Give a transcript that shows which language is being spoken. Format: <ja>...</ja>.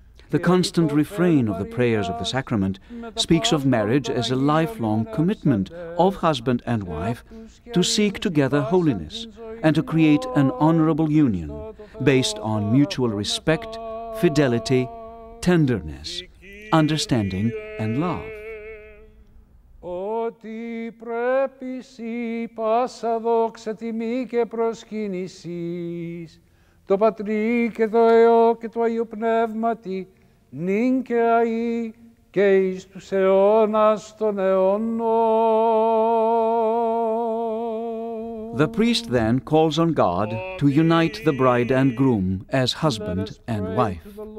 <en>The constant refrain of the prayers of the sacrament speaks of marriage as a lifelong commitment of husband and wife to seek together holiness and to create an honorable union based on mutual respect, fidelity, tenderness, understanding, and love.</en> <el>Ότι πρέπει πάσα δόξα τιμή και προσκύνηση το Πατρί και το Υιό και το Αγίου Πνεύματι νυν και αΐ και εις τους αιώνας των αιώνων.</el> <en>The priest then calls on God to unite the bride and groom as husband and wife.</en>